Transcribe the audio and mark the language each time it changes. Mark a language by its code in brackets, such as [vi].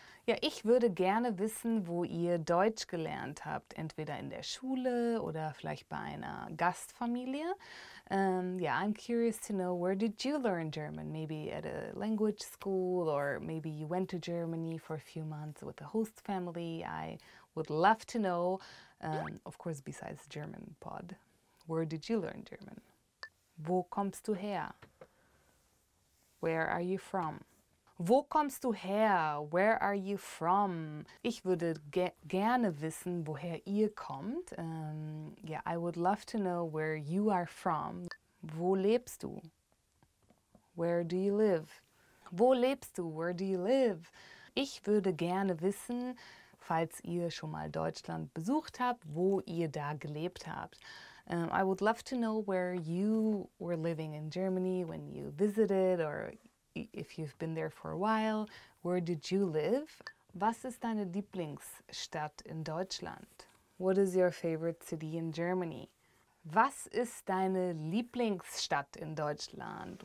[de] Ja, ich würde gerne wissen, wo ihr Deutsch gelernt habt. Entweder in der Schule oder vielleicht bei einer Gastfamilie. [en] I'm curious to know, where did you learn German? Maybe at a language school, or maybe you went to Germany for a few months with a host family. I would love to know, of course, besides German pod, where did you learn German? [de] Wo kommst du her? [en] Where are you from? [de] Wo kommst du her? [en] Where are you from? [de] Ich würde gerne wissen, woher ihr kommt. [en] I would love to know where you are from. [de] Wo lebst du? [en] Where do you live? [de] Wo lebst du? [en] Where do you live? [de] Ich würde gerne wissen, falls ihr schon mal Deutschland besucht habt, wo ihr da gelebt habt. [en] I would love to know where you were living in Germany when you visited, or if you've been there for a while. Where did you live? [de] Was ist deine Lieblingsstadt in Deutschland? [en] What is your favorite city in Germany? [de] Was ist deine Lieblingsstadt in Deutschland?